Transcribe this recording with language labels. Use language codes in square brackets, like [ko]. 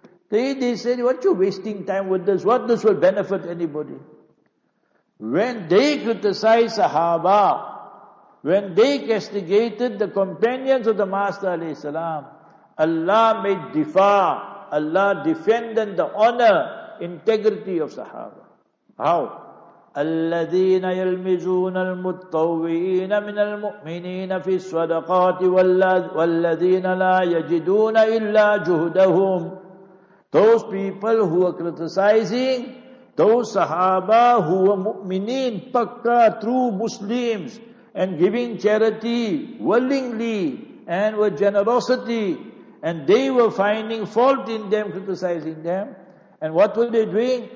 [en] They said, what you wasting time with this? What this will benefit anybody? When they criticized Sahaba, when they castigated the companions of the Master alayhi salam, Allah made difa, Allah defended the honor, integrity of Sahaba. How? [ar] الذين يلمزون المتطوعين من المؤمنين في الصدقات والذين لا يجدون إلا جهدهم. [en] Those people who are criticizing, those Sahaba who were mu'mineen, pakka, true Muslims, and giving charity willingly and with generosity, and they were finding fault in them, criticizing them, and what were they doing?